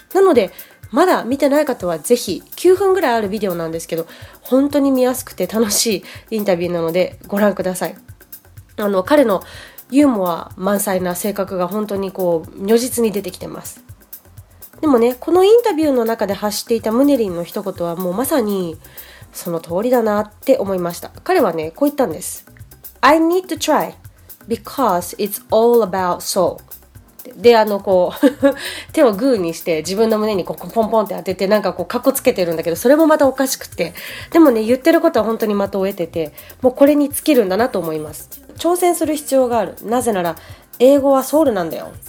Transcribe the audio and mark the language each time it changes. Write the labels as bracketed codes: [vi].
[ja] なのでまだ見てない方はぜひ、9分ぐらいあるビデオなんですけど、本当に見やすくて楽しいインタビューなのでご覧ください。彼のユーモア満載な性格が本当にこう、如実に出てきてます。でもね、このインタビューの中で発していたムネリンの一言はもうまさにその通りだなって思いました。彼はね、こう言ったんです。 [en] I need to try because it's all about soul. [ja] で、手をグーにして自分の胸にこうポンポンって当てて、なんかこうカッコつけてるんだけど、それもまたおかしくて、でもね、言ってることは本当に的を得てて、もうこれに尽きるんだなと思います。挑戦する必要がある。なぜなら英語はソウルなんだよ。